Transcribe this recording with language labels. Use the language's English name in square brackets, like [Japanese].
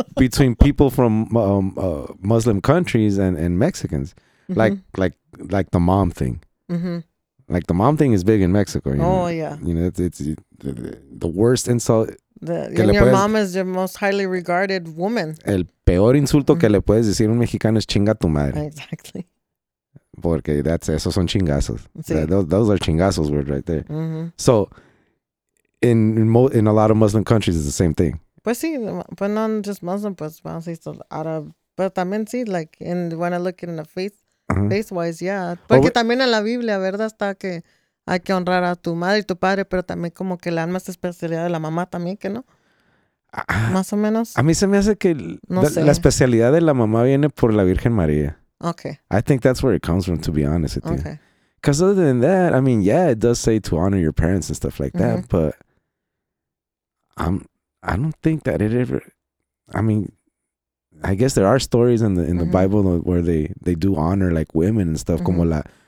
[English] Between people from Muslim countries and Mexicans. Mm-hmm. Like the mom thing. Mm-hmm. Like the mom thing is big in Mexico. You oh, know? Yeah. You know, it's the worst insult. And your mom is your most highly regarded woman. [Spanish] El peor insulto que le puedes decir a un mexicano es chinga tu madre. [English] Exactly. [Spanish] Porque [English] that's, [Spanish] esos son chingazos. Sí. [English] Those are chingazos word right there. Mm-hmm. So, in a lot of Muslim countries, it's the same thing. [Spanish] Pues sí, [English] but not just Muslim, but Arab. But [Spanish] también sí, [English] like, and when I look it in the face, uh-huh. Face-wise, yeah. [Spanish] Porque también en la Biblia, ¿verdad? Está que hay que honrar a tu madre y tu padre, pero también como que la alma es especialidad de la mamá también, ¿que no? Más o menos. A mí se me hace que la especialidad de la mamá viene por la Virgen María. [English] Okay. I think that's where it comes from, to be honest with you. Okay. Because other than that, I mean, yeah, it does say to honor your parents and stuff like that, mm-hmm. but I don't think that it ever, I mean, I guess there are stories in the mm-hmm. Bible where they do honor like women and stuff, mm-hmm.